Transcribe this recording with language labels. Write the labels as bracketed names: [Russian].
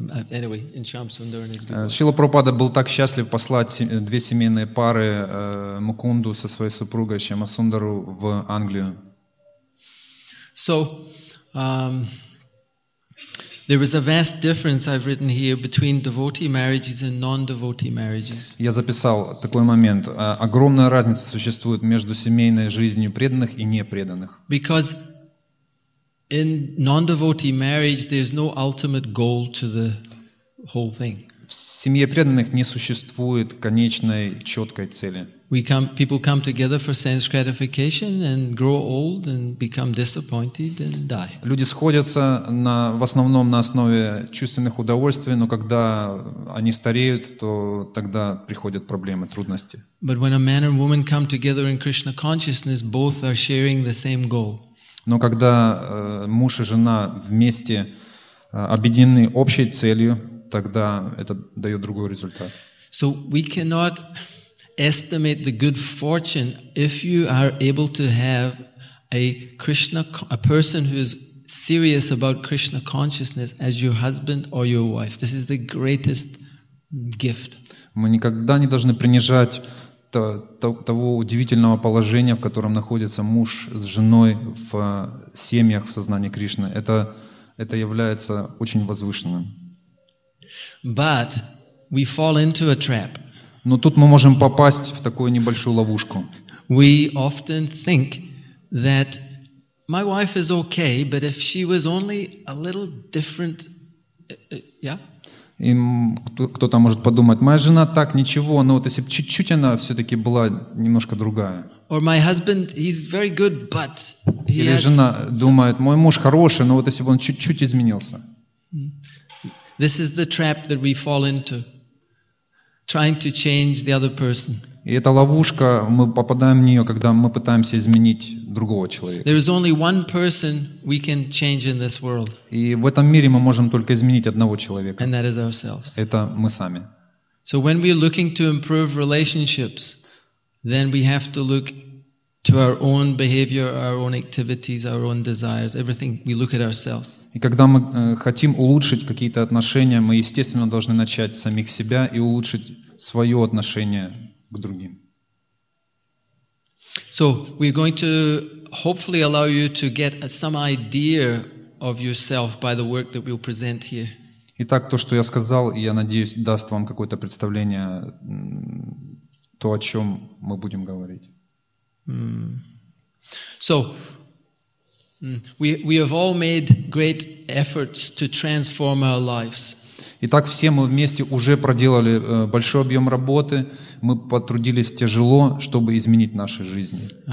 [English] Anyway, in Shamsundar and his group. [Russian] Шрила Прабхупада был так счастлив послать две семейные пары Мукунду со своей супругой Шамасундару в Англию. [English] So there is a vast difference I've written here between devotee marriages and non-devotee marriages. [Russian] Я записал такой момент. Огромная разница существует между семейной жизнью преданных и непреданных. [English] Because in non-devotee marriage, there's no ultimate goal to the whole thing. [Russian] В семье преданных не существует конечной четкой цели. [English] People come together for sense gratification and grow old and become disappointed and die. [Russian] Люди сходятся в основном на основе чувственных удовольствий, но когда они стареют, то тогда приходят проблемы, трудности. [English] But when a man and woman come together in Krishna consciousness, both are sharing the same goal. [Russian] Но когда муж и жена вместе объединены общей целью, тогда это дает другой результат. [English] So we cannot estimate the good fortune if you are able to have a person who is serious about Krishna consciousness as your husband or your wife. This is the greatest gift. [Russian] Мы никогда не должны принижать того удивительного положения, в котором находится муж с женой в семьях в сознании Кришны. Это является очень возвышенным. [English] But we fall into a trap. [Russian] Но тут мы можем попасть в такую небольшую ловушку. [English] We often think that my wife is okay, but if she was only a little different, yeah? [Russian] И кто-то может подумать, моя жена так, ничего, но вот если бы чуть-чуть она все-таки была немножко другая. [English] Or my husband, he's very good, but he [Russian] Или жена думает, мой муж хороший, но вот если бы он чуть-чуть изменился. [English] This is the trap that we fall into, trying to change the other person. [Russian] И эта ловушка, мы попадаем в нее, когда мы пытаемся изменить другого человека. [English] There is only one person we can change in this world. [Russian] И в этом мире мы можем только изменить одного человека. [English] And that is ourselves. [Russian] Это мы сами. [English] So when we're looking to improve relationships, then we have to look to our own behavior, our own activities, our own desires, everything. We look at ourselves. [Russian] И когда мы хотим улучшить какие-то отношения, мы естественно должны начать с самих себя и улучшить свое отношение к другим. [English] So we're going to hopefully allow you to get some idea of yourself by the work that we'll present here. [Russian] Итак, то, что я сказал, я надеюсь, даст вам какое-то представление то, о чем мы будем говорить. [English] So we have all made great efforts to transform our lives. [Russian] Итак, все мы вместе уже проделали большой объем работы. Мы потрудились тяжело, чтобы изменить наши жизни.